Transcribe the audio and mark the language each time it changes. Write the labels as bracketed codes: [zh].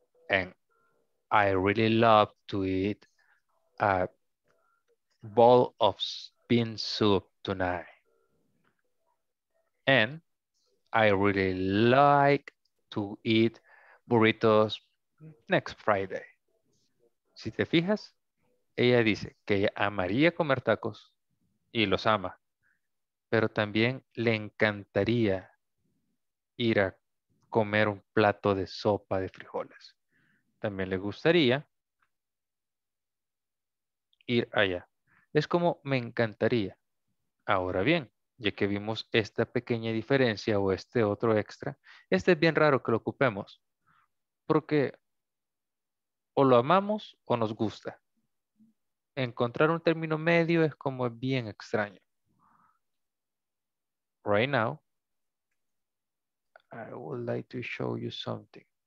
[en] And I really love to eat a bowl of bean soup tonight. And I really like to eat burritos next Friday. [es] Si te fijas, ella dice que ella amaría comer tacos y los ama. Pero también le encantaría ir a comer un plato de sopa de frijoles. También le gustaría ir allá. Es como me encantaría. Ahora bien, ya que vimos esta pequeña diferencia o este otro extra, este es bien raro que lo ocupemos, porque o lo amamos o nos gusta. Encontrar un término medio es como bien extraño. [en] Right now, I would like to show you something.